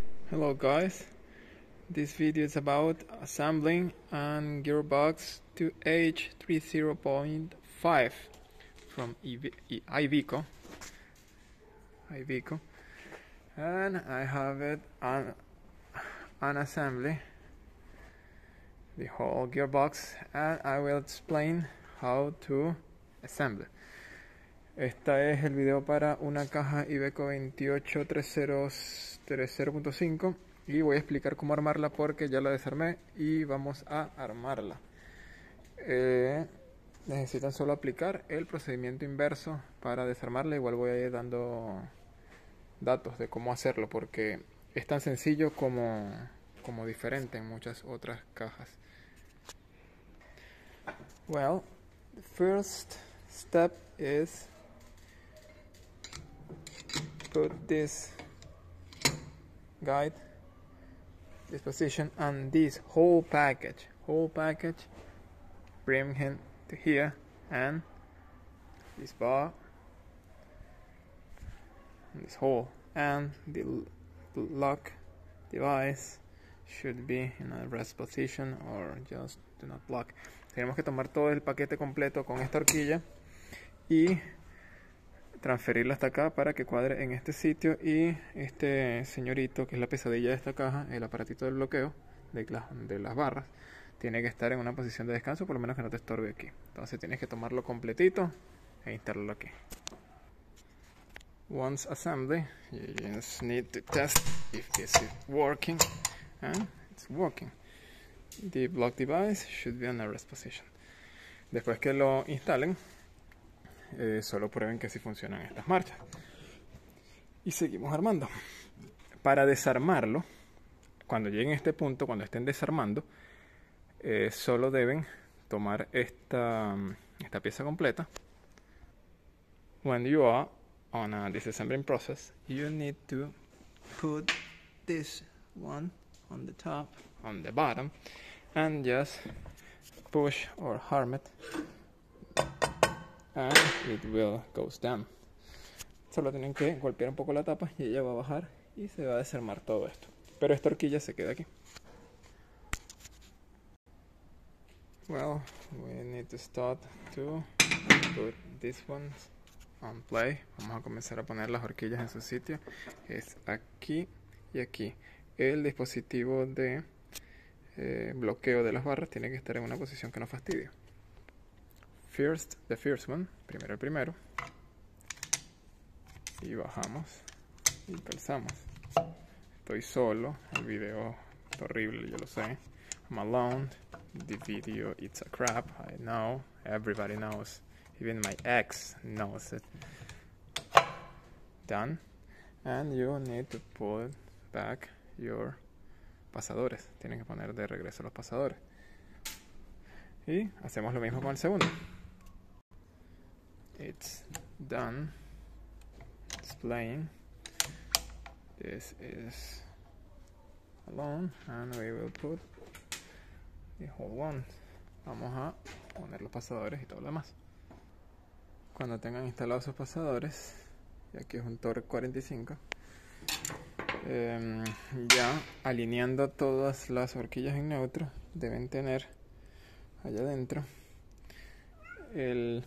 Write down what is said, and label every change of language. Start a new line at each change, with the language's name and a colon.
English: Hello guys, this video is about assembling an gearbox to H30.5 from IVECO. IVECO, and I have it an assembly, the whole gearbox, and I will explain how to assemble.
Spanish: Esta es el video para una caja IVECO 28 30.5 y voy a explicar cómo armarla porque ya la desarmé y vamos a armarla. Necesitan solo aplicar el procedimiento inverso para desarmarla. Igual voy a ir dando datos de cómo hacerlo porque es tan sencillo como diferente en muchas otras cajas.
English: Well, the first step is put this guide, this position, and this whole package, bring him to here, and this bar, and this hole, and the lock device should be in a rest position, or just do not lock.
Spanish: Tenemos que tomar todo el paquete completo con esta horquilla y transferirla hasta acá para que cuadre en este sitio y este señorito, que es la pesadilla de esta caja, el aparatito del bloqueo de las barras, tiene que estar en una posición de descanso, por lo menos que no te estorbe aquí. Entonces tienes que tomarlo completito e instalarlo aquí.
English: Once assembled, you just need to test if this is working, and it's working. The block device should be in a rest position.
Spanish: Después que lo instalen, solo prueben que si funcionan estas marchas y seguimos armando. Para desarmarlo, cuando lleguen a este punto, cuando estén desarmando, solo deben tomar esta pieza completa.
English: When you are on a disassembling process, you need to put this one on the top, on the bottom, and just push or arm it, and it will goes down.
Spanish: Solo tienen que golpear un poco la tapa y ella va a bajar y se va a desarmar todo esto. Pero esta horquilla se queda aquí.
English: Well, we need to start to put this one on play.
Spanish: Vamos a comenzar a poner las horquillas en su sitio. Es aquí y aquí. El dispositivo de bloqueo de las barras tiene que estar en una posición que no fastidie.
English: First, the first one,
Spanish: primero, y bajamos y calzamos. Estoy solo, el video es horrible, yo lo sé.
English: I'm alone, the video it's a crap, I know, everybody knows, even my ex knows it. Done, and you need to pull back your pasadores,
Spanish: tienen que poner de regreso los pasadores. Y hacemos lo mismo con el segundo.
English: It's done. It's playing. This is alone, and we will put the whole one.
Spanish: Vamos a poner los pasadores y todo lo demás. Cuando tengan instalados sus pasadores, y aquí es un torque 45, ya alineando todas las horquillas en neutro, deben tener allá adentro el